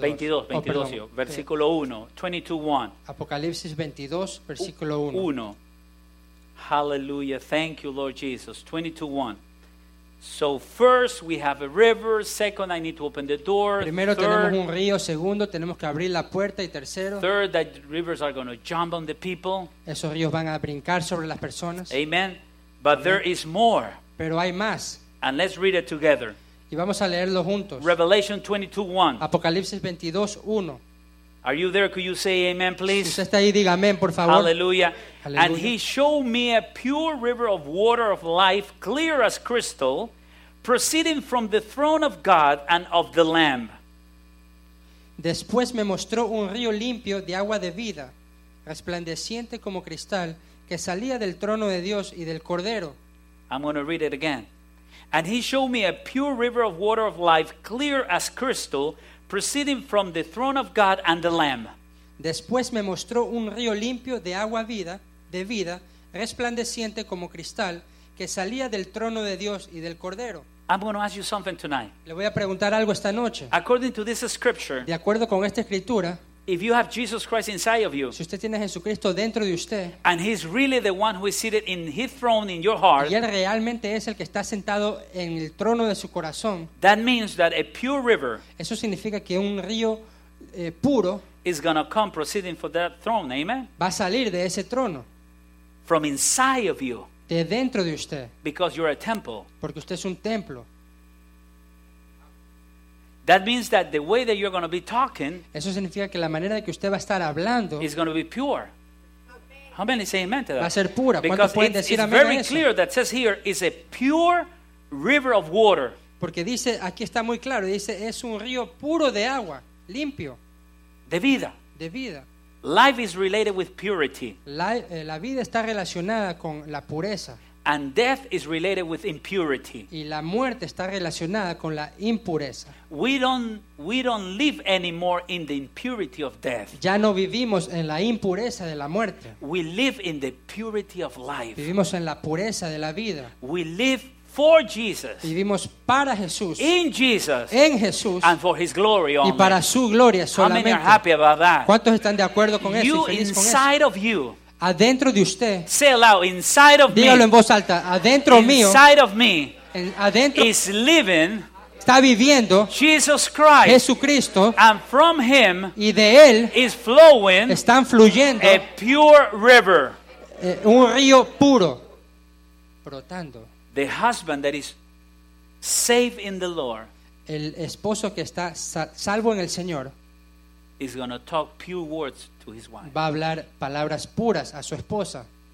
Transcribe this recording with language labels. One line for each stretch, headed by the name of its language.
Spanish: 22, oh, versículo 1. 22:1. Apocalipsis 22, versículo 1.
English: Hallelujah. Thank you, Lord Jesus. 22:1. So first we have a river, second I need to open the door.
Spanish: Primero tenemos un río, segundo tenemos que abrir la puerta y tercero.
English: Third, that rivers are going to jump on the people.
Spanish: Esos ríos van a brincar sobre las personas.
English: Amen. But there is more.
Spanish: Pero hay más.
English: And let's read it together.
Spanish: Y vamos a leerlo juntos.
English: Revelation 22:1.
Spanish: Apocalipsis 22:1.
English: Are you there? Could you say amen, please?
Spanish: Si usted está ahí, diga amén, por favor.
English: Hallelujah. Hallelujah.
Spanish: And he showed me a pure river of water of life, clear as crystal, proceeding from the throne of God and of the Lamb.
English: Después me mostró un río limpio de agua de vida, resplandeciente como cristal, que salía del trono de Dios y del Cordero.
Spanish: I'm going to read it again.
English: And he showed me a pure river of water of life, clear as crystal, proceeding from the throne of God and the Lamb.
Spanish: Después me mostró un río limpio de agua vida, de vida, resplandeciente como cristal, que salía del trono de Dios y del Cordero.
English: I'm going to ask you something tonight.
Spanish: Le voy a preguntar algo esta noche.
English: According to this scripture,
Spanish: de acuerdo con esta escritura,
English: if you have Jesus Christ inside of you,
Spanish: si usted tiene a Jesucristo dentro de usted,
English: and he's really the one who is seated in his throne in your heart,
Spanish: y él realmente es el que está sentado en el trono de su corazón,
English: that means that a pure river,
Spanish: eso significa que un río puro,
English: is going to come proceeding from that throne, amen?
Spanish: Va a salir de ese trono.
English: From inside of you.
Spanish: De dentro de usted.
English: Because you're a temple.
Spanish: Porque usted es un templo.
English: That means that the way that you're going to be talking,
Spanish: eso significa que la manera de que usted va a estar hablando,
English: is going to be pure. How many say amen to that?
Spanish: Va a ser pura.
English: Because
Spanish: ¿cuántos pueden decir amén a eso?
English: Very clear that says here is a pure river of water.
Spanish: Porque dice, aquí está muy claro, dice, es un río puro de agua, limpio. De vida. De vida.
English: Life is related with purity.
Spanish: La vida está relacionada con la pureza.
English: And death is related with impurity.
Spanish: Y la muerte está relacionada con la impureza.
English: We don't live anymore in the impurity of death.
Spanish: Ya no vivimos en la impureza de la muerte.
English: We live in the purity of life.
Spanish: Vivimos en la pureza de la vida.
English: We live for Jesus.
Spanish: Vivimos para Jesús.
English: In Jesus.
Spanish: En Jesús.
English: And for his glory only.
Spanish: Y para su gloria solamente.
English: How many are happy about that?
Spanish: ¿Cuántos están de acuerdo con eso?
English: You inside of you.
Spanish: Adentro de usted.
English: Say aloud, inside of me.
Spanish: Dígalo en voz alta. Adentro mío.
English: Inside of me.
Spanish: Adentro.
English: Is living.
Spanish: Está viviendo.
English: Jesus Christ.
Spanish: Jesucristo.
English: And from him.
Spanish: Y de él.
English: Is flowing.
Spanish: Están fluyendo.
English: A pure river.
Spanish: Un río puro. Brotando.
English: The husband that is safe in the Lord.
Spanish: El esposo que está salvo en el Señor.
English: Is going to talk pure words to his wife.
Spanish: Va a hablar palabras puras a su esposa.